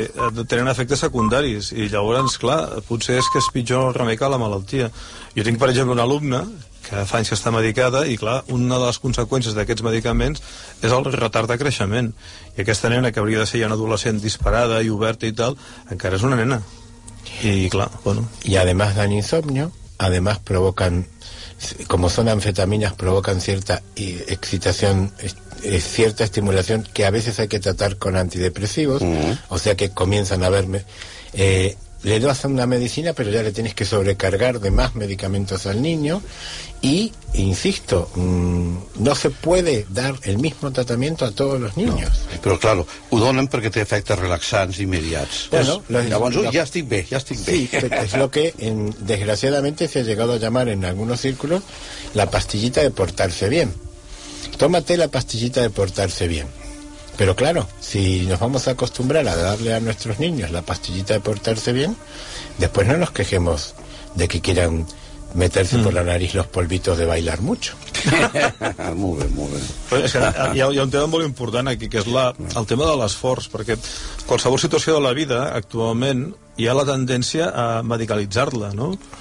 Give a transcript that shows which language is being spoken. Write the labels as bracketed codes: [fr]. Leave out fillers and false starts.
[ca] sí, tenen efectes secundaris, i llavors, clar, potser és que és pitjor el remei que la malaltia. Jo tinc, per exemple, una alumna que fa anys que està medicada, i clar, una de les conseqüències d'aquests medicaments és el retard de creixement. I aquesta nena, que hauria de ser ja una adolescent disparada i oberta i tal, encara és una nena. I clar, bueno... [es] I además dan insomnio, además provocan... Como son anfetaminas, provocan cierta excitación, cierta estimulación, que a veces hay que tratar con antidepresivos, o sea que comienzan a verme... Le das una medicina, pero ya le tienes que sobrecargar de más medicamentos al niño. Y, insisto, no se puede dar el mismo tratamiento a todos los niños. No, pero claro, [ca] ho donen perquè té efectes relaxants immediats. Bueno, ja estic bé. [es] Sí, es lo que desgraciadamente se ha llegado a llamar en algunos círculos la pastillita de portarse bien. Tómate la pastillita de portarse bien. Pero claro, si nos vamos a acostumbrar a darle a nuestros niños la pastillita de portarse bien, después no nos quejemos de que quieran meterse por la nariz los polvitos de bailar mucho. Muy bien. [ca] Pues, hi ha un tema molt important aquí, que és el tema de l'esforç, perquè qualsevol situació de la vida actualment hi ha la tendència a medicalitzar-la, no?